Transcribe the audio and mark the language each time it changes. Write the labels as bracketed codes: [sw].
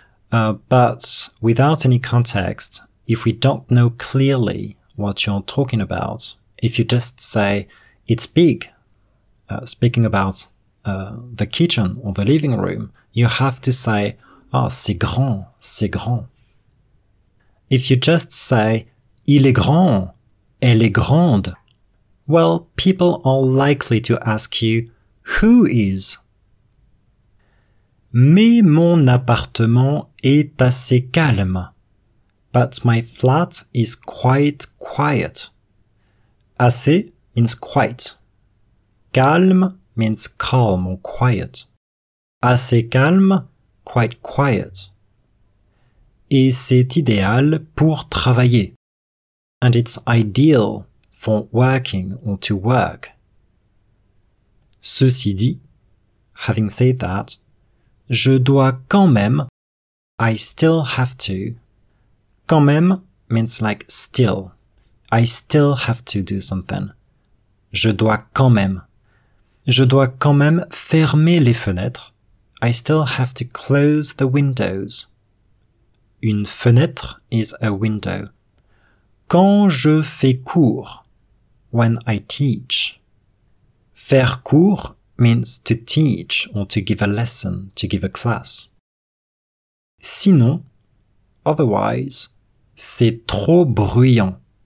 [en] But without any context, if we don't know clearly what you're talking about, if you just say it's big, speaking about the kitchen or the living room, you have to say, oh, [fr] c'est grand, c'est grand. [en] If you just say, [fr] il est grand, elle est grande, [en] well, people are likely to ask you, who is? [fr] Mais mon appartement est assez calme. [en] But my flat is quite quiet. Assez means quite. Calme means calm or quiet. [fr] Assez calme, [en] quite quiet. [fr] Et c'est idéal pour travailler. [en] And it's ideal for working or to work. [fr] Ceci dit, [en] having said that, [fr] je dois quand même, [en] I still have to. [fr] Quand même [en] means like still. I still have to do something. [fr] Je dois quand même. Je dois quand même fermer les fenêtres. [en] I still have to close the windows. [fr] Une fenêtre [en] is a window. [fr] Quand je fais cours, [en] when I teach. [fr] Faire cours [en] means to teach or to give a lesson, to give a class. [fr] Sinon, otherwise, c'est trop bruyant.